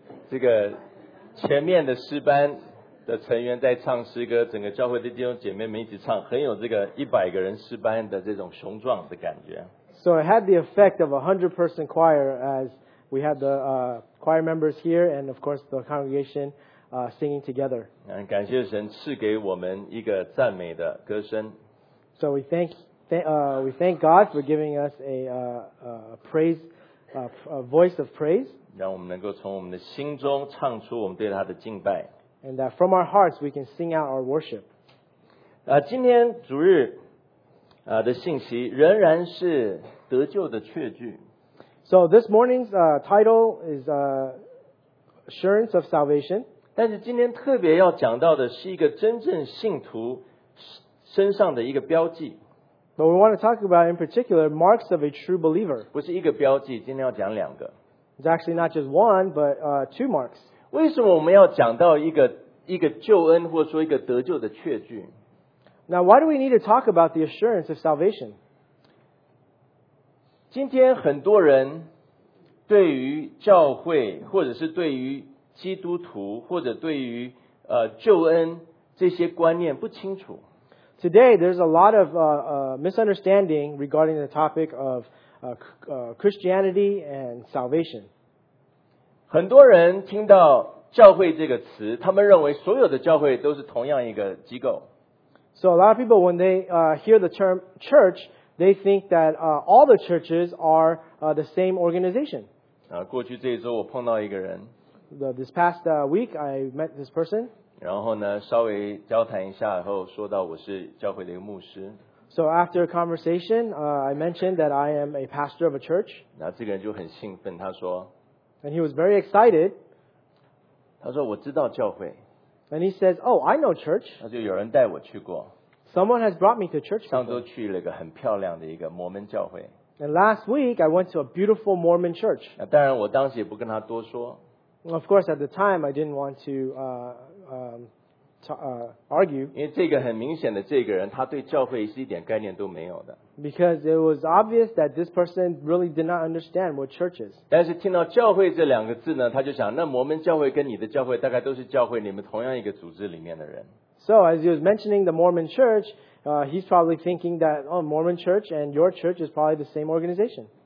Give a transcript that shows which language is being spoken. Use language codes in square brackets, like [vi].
[zh] 这个前面的诗班的成员在唱诗歌，整个教会的弟兄姐妹们一起唱，很有这个一百个人诗班的这种雄壮的感觉。 [en] So it had the effect of a 100-person choir as we had the choir members here and of course the congregation singing together. [zh] 感谢神赐给我们一个赞美的歌声。 [en] So we thank God for giving us a voice of praise. [zh] 让我们能够从我们的心中唱出我们对他的敬拜。 [en] And that from our hearts we can sing out our worship. [zh] 今天主日的信息仍然是得救的确据。 [en] So this morning's title is Assurance of Salvation. [zh] 但是今天特别要讲到的是一个真正信徒身上的一个标记。 [en] But we want to talk about in particular marks of a true believer. [zh] 不是一个标记，今天要讲两个。 [en] It's actually not just one, but two marks. [zh] 为什么我们要讲到一个救恩或者说一个得救的确据？ [en] Now why do we need to talk about the assurance of salvation? [zh] 今天很多人对于教会或者是对于基督徒或者对于救恩这些观念不清楚。 [en] Today, there's a lot of misunderstanding regarding the topic of Christianity and salvation. [zh] 很多人听到教会这个词，他们认为所有的教会都是同样一个机构。 [en] So a lot of people, when they hear the term church,They think that all the churches are the same organization. [zh] 过去这一周我碰到一个人。 [en] This past week, I met this person. [zh] 然后呢，稍微交谈一下，然后说到我是教会的一个牧师。 [en] So after a conversation, I mentioned that I am a pastor of a church. [zh] 那这个人就很兴奋，他说。 [en] And he was very excited. [zh] 他说我知道教会。 [en] And he says, oh, I know church. [zh] 那就有人带我去过。 [en] Someone has brought me to church. [zh] 上周去了一个很漂亮的一个摩门教会。 [en] And last week, I went to a beautiful Mormon church. [zh] 当然，我当时也不跟他多说。 [en] Of course, at the time, I didn't want to argue. [zh] 因为这个很明显的，这个人他对教会是一点概念都没有的。 [en] Because it was obvious that this person really did not understand what church is. [zh] 但是听到教会这两个字呢，他就想，那摩门教会跟你的教会大概都是教会，你们同样一个组织里面的人。 [en] So as he was mentioning the Mormon church, he's probably thinking that, oh, Mormon church and your church is probably the same organization.